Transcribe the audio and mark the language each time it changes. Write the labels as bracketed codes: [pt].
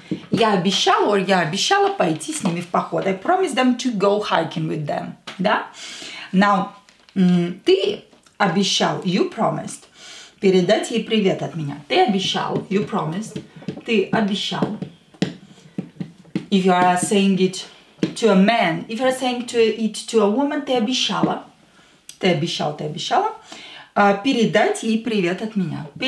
[ru] Я обещала, [en] or [ru] я обещала пойти с ними в поход. [en] I promised them to go hiking with them. [ru] Да? [en] Now, [ru] ты обещал, [en] you promised. [ru] Передать ей привет от меня. Ты обещал. [en] You promised. [ru] Ты обещал. [en] If you are saying it to a man, if you are saying it to a woman, [ru] ты обещала. Ты обещал, ты обещала. Передать ей привет от меня.